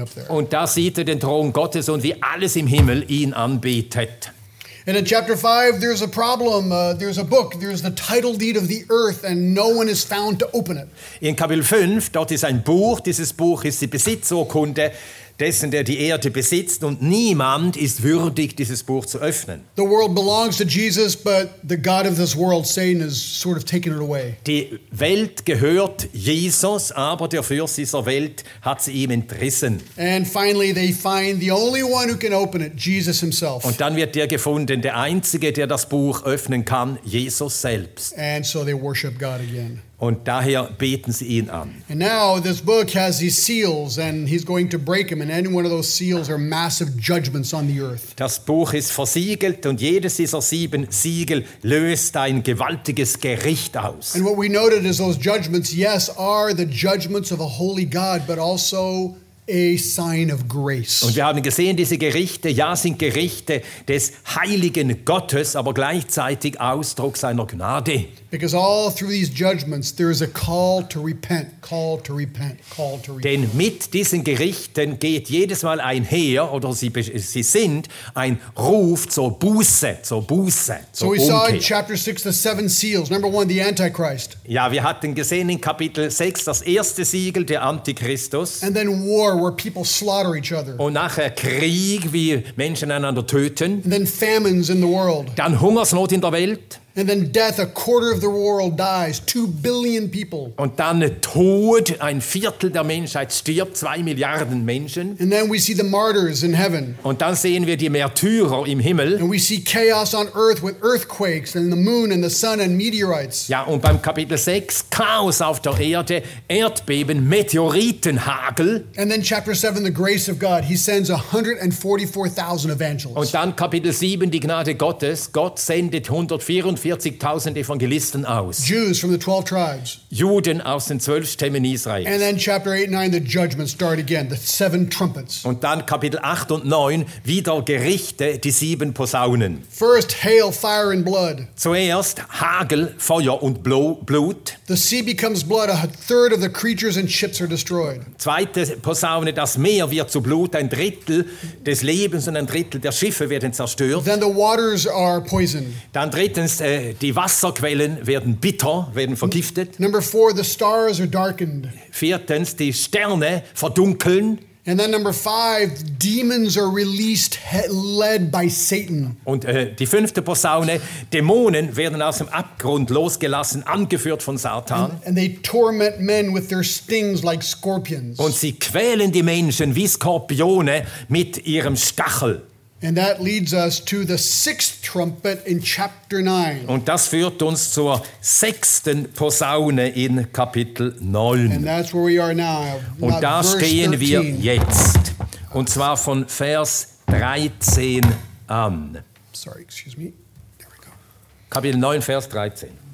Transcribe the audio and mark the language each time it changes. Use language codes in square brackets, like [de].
[de] Und da sieht er den Thron Gottes und wie alles im Himmel ihn anbetet. [en] And in chapter 5 there's a problem, there's a book, there's the title deed of the earth and no one is found to open it. [de] In Kapitel 5, dort ist ein Buch, dieses Buch ist die Besitzurkunde dessen, der die Erde besitzt und niemand ist würdig, dieses Buch zu öffnen. [en] The world belongs to Jesus, but the God of this world, Satan, has sort of taken it away. [de] Die Welt gehört Jesus, aber der Fürst dieser Welt hat sie ihm entrissen. [en] And finally they find the only one who can open it, Jesus himself. [de] Und dann wird der gefunden, der Einzige, der das Buch öffnen kann, Jesus selbst. [en] And so they worship God again. [de] Und daher beten sie ihn an. [en] And now this book has these seals and he's going to break them and any one of those seals are massive judgments on the earth. [de] Das Buch ist versiegelt und jedes dieser 7 Siegel löst ein gewaltiges Gericht aus. [en] And what we noted is those judgments, yes, are the judgments of a holy God, but also a sign of grace. [de] Und wir haben gesehen, diese Gerichte, ja, sind Gerichte des heiligen Gottes, aber gleichzeitig Ausdruck seiner Gnade. [en] Because all through these judgments there is a call to repent, call to repent, call to repent. [de] Denn mit diesen Gerichten geht jedes Mal einher, oder sie sind ein Ruf zur Buße, zur Umkehr. [en] So we saw in chapter 6 the 7 seals. Number 1, the Antichrist. [de] Ja, wir hatten gesehen in Kapitel 6 das erste Siegel, der Antichristus. [en] And then war, where people slaughter each other. [de] Und nachher Krieg, wie Menschen einander töten. [en] And then famines in the world. [de] Dann Hungersnot in der Welt. [en] And then death, a quarter of the world dies, 2 billion people. [de] Und dann Tod, ein Viertel der Menschheit stirbt, 2 Milliarden Menschen. [en] And then we see the martyrs in heaven. [de] Und dann sehen wir die Märtyrer im Himmel. [en] And we see chaos on earth with earthquakes and the moon and the sun and meteorites. [de] Ja, und beim Kapitel 6, Chaos auf der Erde, Erdbeben, Meteoritenhagel. [en] And then chapter 7, the grace of God. He sends 144,000 evangelists. [de] Und dann Kapitel 7, die Gnade Gottes. Gott sendet 144,000 Evangelisten aus. [en] Jews from the 12 tribes. [de] Juden aus den 12 Stämmen Israels. [en] And then chapter 8 and 9, the judgments start again, the 7 trumpets. [de] Und dann Kapitel 8 und 9, wieder Gerichte, die 7 Posaunen. [en] First, hail, fire and blood. [de] Zuerst Hagel, Feuer und Blut. [en] The sea becomes blood, a third of the creatures and ships are destroyed. [de] Zweite Posaune, das Meer wird zu Blut, ein Drittel des Lebens und ein Drittel der Schiffe werden zerstört. [en] Then the waters are poisoned. [de] Dann drittens, die Wasserquellen werden bitter, werden vergiftet. [en] Number four, the stars are darkened. [de] Viertens, die Sterne verdunkeln. [en] And then number five, demons are released, led by Satan. [de] Und die fünfte Posaune, Dämonen werden aus dem Abgrund losgelassen, angeführt von Satan. [en] And they torment men with their stings like scorpions. [de] Und sie quälen die Menschen wie Skorpione mit ihrem Stachel. [en] And that leads us to the sixth trumpet in chapter 9. [de] Und das führt uns zur sechsten Posaune in Kapitel 9. [en] And that's where we are now. [de] Und da stehen wir jetzt. Und zwar von Vers 13 an. [en] Sorry, excuse me. There we go. [de] Kapitel 9, Vers 13.